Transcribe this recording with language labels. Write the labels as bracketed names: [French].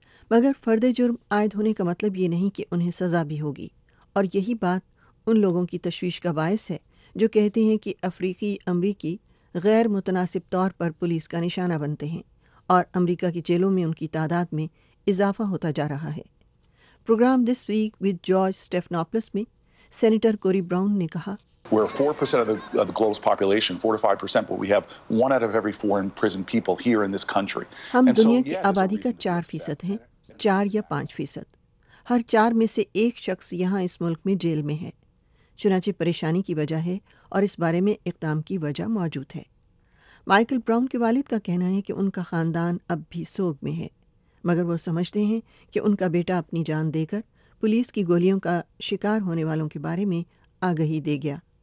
[Urdu] مگر فرد جرم عائد ہونے کا مطلب یہ نہیں کہ انہیں سزا بھی ہوگی، اور یہی بات ان لوگوں کی تشویش کا باعث ہے جو کہتے ہیں کہ افریقی امریکی غیر متناسب طور پر پولیس کا نشانہ بنتے ہیں اور امریکہ کی جیلوں میں ان کی تعداد میں اضافہ ہوتا جا رہا ہے۔ Program this week with George سٹیفانوپولس میں سینیٹر کوری براؤن نے کہا، [English] We're 4% of the globe's population, 4 to 5%, but we have 1 out of every 4 in prison people here in this country. [Urdu] ہم دنیا کی آبادی کا 4% ہیں، 4 یا 5%۔ ہر 4 میں سے ایک شخص یہاں اس ملک میں جیل میں ہے، چنانچہ پریشانی کی وجہ ہے اور اس بارے میں اقدام کی وجہ موجود ہے۔ مائیکل براؤن کے والد کا کہنا ہے کہ ان کا خاندان اب بھی سوگ میں ہے، مگر وہ سمجھتے ہیں کہ ان کا بیٹا اپنی جان دے کر پولیس کی گولیوں کا شکار ہونے والوں کے بارے میں آگہی دے گیا۔